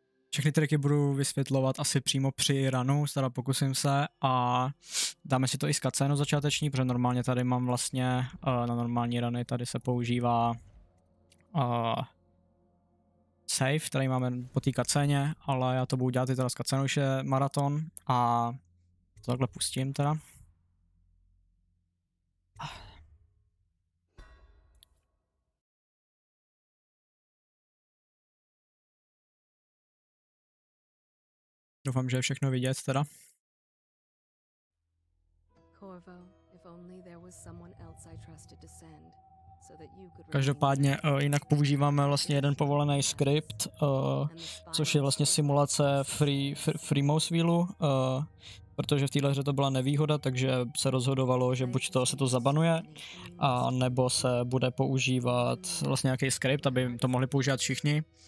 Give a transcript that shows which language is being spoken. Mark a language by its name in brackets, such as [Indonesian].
[Czech] Všechny triky budu vysvětlovat asi přímo při runu, teda pokusím se, a dáme si to i z cutscénu začáteční, protože normálně tady mám vlastně na normální runy, tady se používá save, který máme po té cutscéně, ale já to budu dělat i teda z cutscénu, už je maraton, a to takhle pustím teda. Doufám, že je všechno vidět teda. [English] Corvo, if only there was someone else I trusted to send, so that you could... [Czech] Každopádně jinak používáme vlastně jeden povolený skript, což je vlastně simulace Free Mouse Wheelu, protože v téhle hře to byla nevýhoda, takže se rozhodovalo, že buď to se to zabanuje, a nebo se bude používat vlastně nějaký skript, aby to mohli používat všichni.